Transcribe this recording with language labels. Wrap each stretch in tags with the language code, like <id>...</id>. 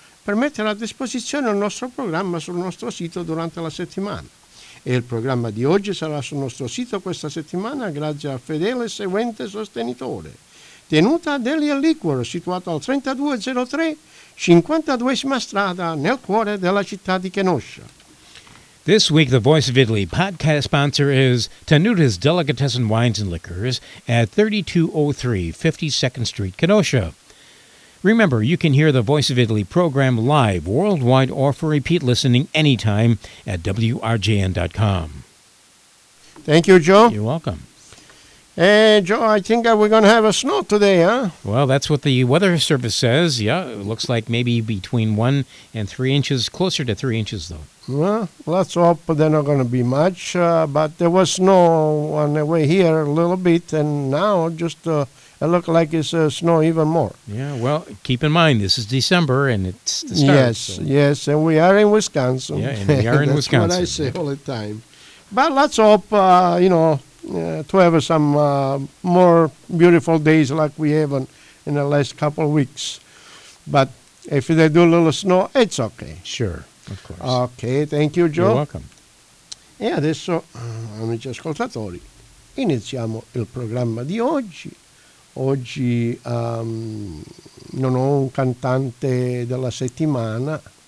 <it>per mettere a disposizione il nostro programma sul nostro sito durante la settimana. E il programma di oggi sarà sul nostro sito questa settimana grazie al fedele seguente sostenitore. Tenuta Delia Liquor, situato al 3203 52esima strada nel cuore della città di Kenosha.</it> <en>This week, the Voice of Italy podcast sponsor is Tenuta's Delicatessen Wines and Liquors at 3203 52nd Street, Kenosha. Remember, you can hear the Voice of Italy program live, worldwide, or for repeat listening anytime at WRJN.com. Thank you, Joe. You're welcome. Hey, Joe, I think we're going to have a snow today, huh? Well, that's what the weather service says. Yeah, it looks like maybe between 1 and 3 inches, closer to 3 inches, though. Well, let's hope they're not going to be much, but there was snow on the way here a little bit, and now just it looks like it's snow even more. Yeah, well, keep in mind, this is December, and it's the start. Yes, so. Yes, and we are in Wisconsin. Yeah, and we are in Wisconsin. That's what I say all the time. But let's hope, to have some more beautiful days like we have in the last couple of weeks. But if they do a little snow, it's okay. Sure. Of course. Okay, thank you, Joe. You're welcome.</en> <it>E adesso, amici ascoltatori, iniziamo il programma di oggi. Oggi non ho un cantante della settimana.</it>